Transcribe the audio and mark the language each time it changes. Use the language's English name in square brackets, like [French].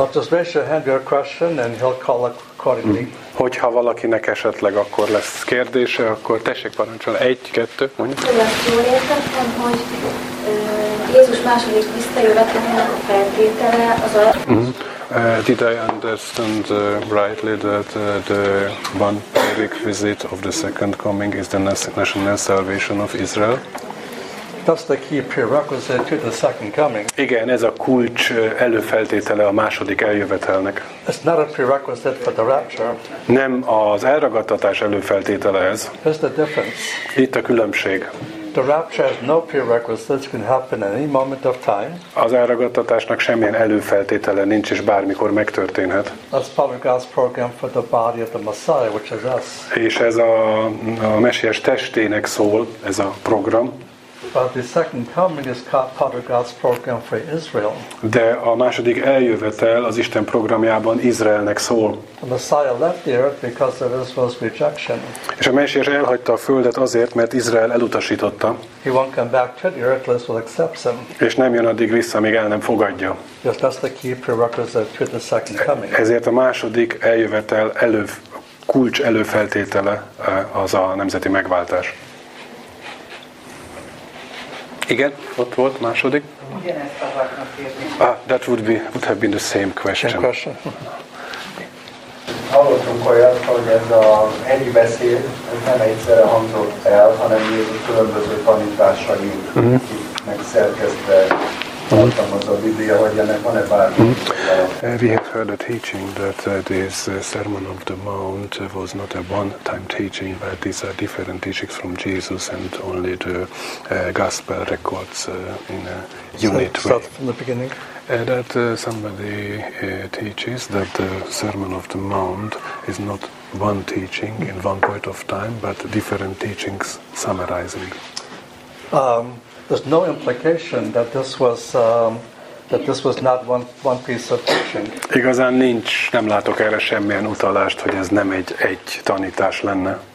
[English] Just raise your hand your question and he'll call accordingly. [Hungarian] Hogyha valakinek esetleg akkor lesz kérdése, akkor tessék parancsolni. 1, 2, mondjuk. Jól értettem, hogy Jézus második visszajövetelének a feltétele az a... [English] Did I understand rightly that the one prerequisite of the second coming is the national salvation of Israel? That's the key prerequisite to the second coming. [Hungarian] Igen, ez a kulcs előfeltétele a második eljövetelnek. [English] It's not a prerequisite for the rapture. [Hungarian] Nem az elragadtatás előfeltétele ez. [English] What's the difference? [Hungarian] Itt a különbség. [English] The rapture has no prerequisites, can happen at any moment of time. [Hungarian] Az elragadtatásnak semmilyen előfeltétele nincs, és bármikor megtörténhet. [English] That's probably God's program for the body of the Messiah, which is us. [Hungarian] És ez a Mesiás testének szól, ez a program. [English] But the second coming is part of God's program for Israel. [Hungarian] De a második eljövetel az Isten programjában Izraelnek szól. [English] The Messiah left the earth because of Israel's rejection. [Hungarian] És a Mesiás elhagyta a földet azért, mert Izrael elutasította. [English] He won't come back to the earth unless we'll accept him. [Hungarian] És nem jön addig vissza, míg el nem fogadja. [English] Yes, that's the key prerequisite to the second coming. [Hungarian] Ezért a második eljövetel kulcs előfeltétele az a nemzeti megváltás. Igen, ott volt második. Ugyanezt akartam kérni. [English] That would have been the same question. Same question. [Hungarian] Hallottunk olyat, hogy ez a ennyi beszél ez nem egyszerre hangzott el, hanem Jézus különböző tanításai, akiknek szerkezte, tartalmaz a Biblia, hogy ennek van-e bármi. [English] We have heard a teaching that this Sermon of the Mount was not a one-time teaching, but these are different teachings from Jesus and only the Gospel records in a unit way. Start from the beginning. That somebody teaches that the Sermon of the Mount is not one teaching in one point of time, but different teachings summarizing. There's no implication that this was... That this was not one piece of teaching. [Hungarian] Igazán nincs, nem látok erre semmilyen utalást, hogy ez nem egy tanítás lenne.